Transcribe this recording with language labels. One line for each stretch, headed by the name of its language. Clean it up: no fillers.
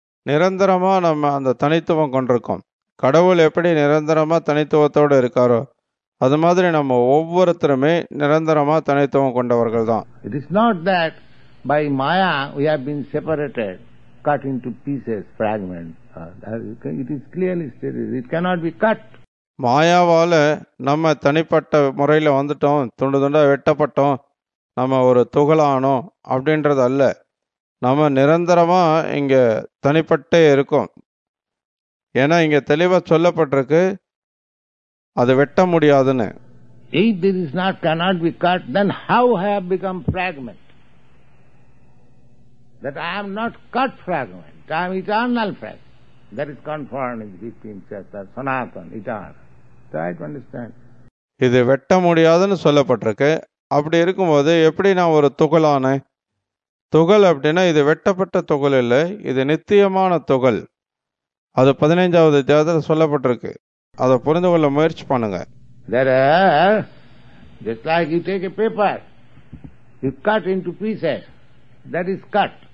Tamil: நிரந்தரமா நம்ம அந்த தனித்துவம் கொண்டிருக்கோம். கடவுள் எப்படி நிரந்தரமா தனித்துவத்தோடு இருக்காரோ அது மாதிரி நம்ம ஒவ்வொருத்தருமே நிரந்தரமா தனித்துவம் கொண்டவர்கள் தான்.
English: It is not that by Maya we have been separated, cut into pieces, fragments. It is clearly stated, it cannot be cut.
Tamil: மாயாவால் நம்ம தனிப்பட்ட முறையில் வந்துட்டோம், துண்டு துண்டாக வெட்டப்பட்டோம், நம்ம ஒரு துகளானோம் அப்படின்றது அல்ல. நம்ம நிரந்தரமாக இங்கே தனிப்பட்டே இருக்கோம். ஏன்னா இங்கே தெளிவாக சொல்லப்பட்டிருக்கு அது வெட்ட முடியாதுன்னு.
English: If this is not cannot be cut, then how I have become fragment? That I am not cut fragment, I am eternal fragment. That is confirmed in the 15th chapter, Sanatan, eternal. Try to understand.
Tamil: இது வெட்ட முடியாதுன்னு சொல்லப்பட்டிருக்கு. அப்படி இருக்கும்போது எப்படி நான் ஒரு துகளான? துகள் அப்படின்னா இது வெட்டப்பட்ட துகள் இல்லை, இது நித்தியமான துகள். அது 15th அத்தியாயத்தில் சொல்லப்பட்டிருக்கு. அதை புரிந்து கொள்ள முயற்சி பண்ணுங்க.
English: There are, just like you take a paper, you cut into pieces, that is cut.